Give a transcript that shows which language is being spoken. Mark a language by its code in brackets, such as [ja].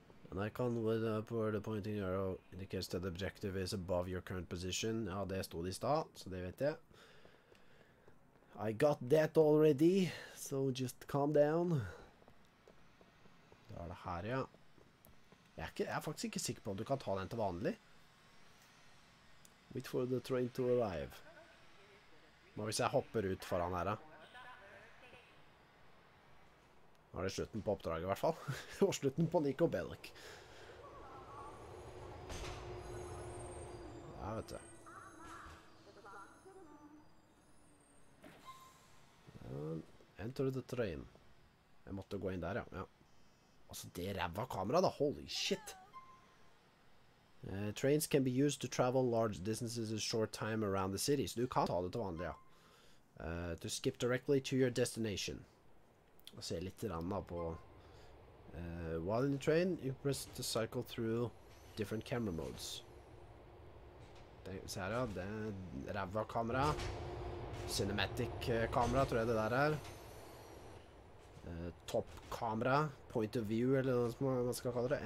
[en] And I can with upward pointing arrow indicates that the objective is above your current position. [no] Ja, det stod i stad, så det vet jeg. [en] I got that already, so just calm down. [no] Da er det her, ja. Jeg er faktisk ikke sikker på om du kan ta den til vanlig. [en] Wait for the train to arrive. [no] Nå hvis jeg hopper ut foran her, da. Nå er det slutten på oppdraget, i hvert fall. Og slutten på Nico Bellic. Ja, vet du. [en] Enter the train. [no] Jeg måtte gå inn der, ja. Altså, det revet kamera da, [en] holy shit. Trains can be used to travel large distances a short time around the city. [no] Så du kan ta det til vanlig, ja. [en] To skip directly to your destination. [no] Og se litt rann da på... [en] while in the train, you press to cycle through different camera modes. [no] Se her, ja. Det er revet kamera. Cinematic kamera, tror jeg det der er. Top kamera, point of view, eller noe som man skal kalle det.